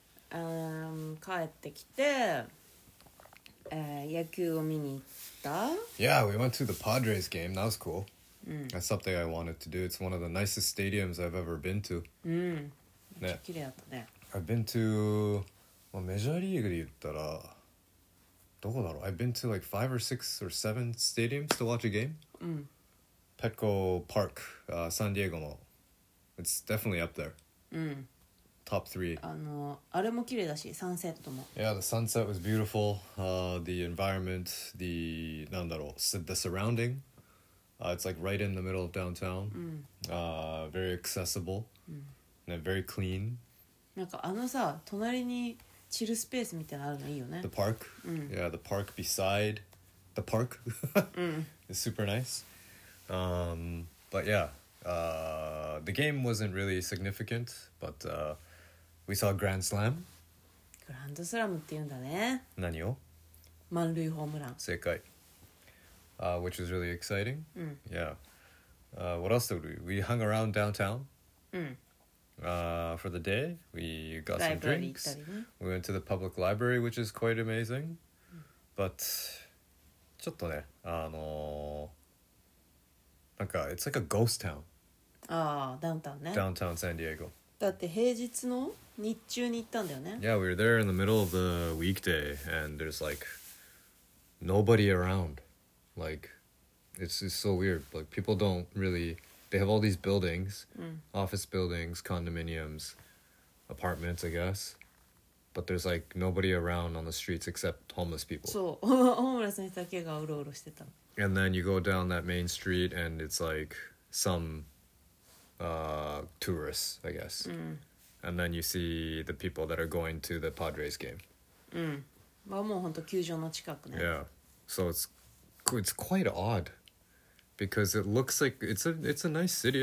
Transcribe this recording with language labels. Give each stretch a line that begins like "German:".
Japanese: 帰ってきて、野球を見に行った。
English: Yeah, we went to the Padres game. That was cool. That's something I wanted to do. It's one of the nicest stadiums I've ever been to.
Japanese: めっちゃ綺麗だったね。
English: I've been to、
Japanese: メジャーリーグで言ったらどこだろう。
English: I've been to like 5 or 6 or 7 stadiums to watch a game. Petco Park、
Japanese: サンディエゴの
English: It's definitely up there、Top 3
Japanese: あれも綺麗だし、サンセットも。
English: Yeah, the sunset was beautiful、the environment, the
Japanese: なんだろう、
English: the surrounding、it's like right in the middle of downtown、very accessible、and very clean。
Japanese: なんかあのさ、隣にチルスペースみたいなのあるのいいよね。
English: The park、Yeah, the park beside the park 、is super niceBut yeah, the game wasn't really significant, but、we saw Grand Slam.
Japanese: Grand Slam って言うんだね。何を？満塁ホームラン。正解。
English: Which was really exciting.、
Japanese: うん、
English: yeah.、what else did we do? We hung around downtown、
Japanese: うん
English: for the day. We got some drinks. We went to the public library, which is quite amazing.、But
Japanese: ちょっとね、なんか
English: it's like a ghost town.
Japanese: ああ、ダウンタウンね。
English: Downtown San Diego.
Japanese: だって平日の日中に行ったんだよね。
English: Yeah, we were there in the middle of the weekday and there's like nobody around. Like, it's so weird. Like, people don't really... They have all these buildings,、office buildings, condominiums, apartments, I guess. But there's like nobody around on the streets except homeless people.
Japanese: そう、ホームレスの人だけがうろうろしてたの。
English: And then you go down that main street and it's like some tourists, I guess.、And then you see the people that are going to the Padres game. Yeah. So it's quite odd because it looks like it's a nice city.